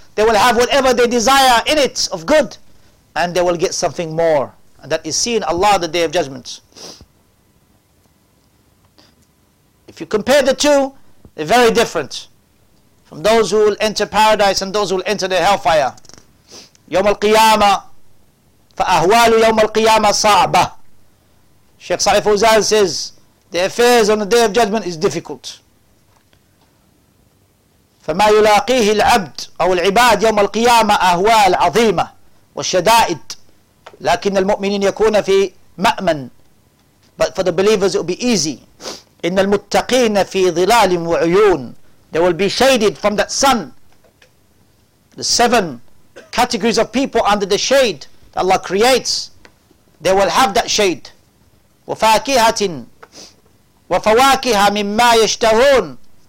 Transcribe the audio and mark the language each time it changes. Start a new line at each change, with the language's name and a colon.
English: They will have whatever they desire in it of good, and they will get something more. And that is seen Allah the Day of Judgment. If you compare the two, they're very different. From those who will enter paradise and those who will enter the hellfire.
Arabic: يوم القيامة فأهوال يوم القيامة صعبة.
English: Sheikh Saif Uzal says, the affairs on the Day of Judgment is difficult.
Arabic: فما يلاقيه العبد أو العباد يوم القيامة أهوال عظيمة والشدائد لكن المؤمنين يكون في مأمن.
English: But for the believers it will be easy.
Arabic: إن المتقين في ظلال وعيون.
English: They will be shaded from that sun. The seven categories of people under the shade that Allah creates, they will have that shade.
Arabic: وفاكهة وفواكه مما يشتهون.